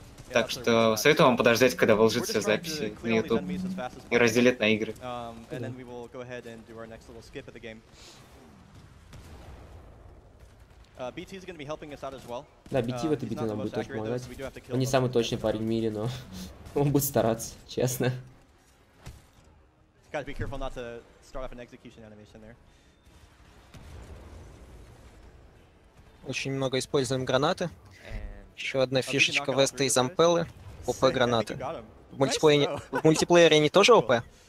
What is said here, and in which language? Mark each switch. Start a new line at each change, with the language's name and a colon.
Russian: Так что советую вам подождать, когда выложится записи на YouTube и разделят на игры. Да, BT в этой битве нам будет тоже помогать. Он не самый точный парень в мире, но он будет стараться, честно.
English: Gotta be careful not to start off an execution animation there.
Russian: Очень много используем гранаты. Еще одна фишечка Веста из Ампеллы. ОП гранаты. В мультиплеере они тоже ОП?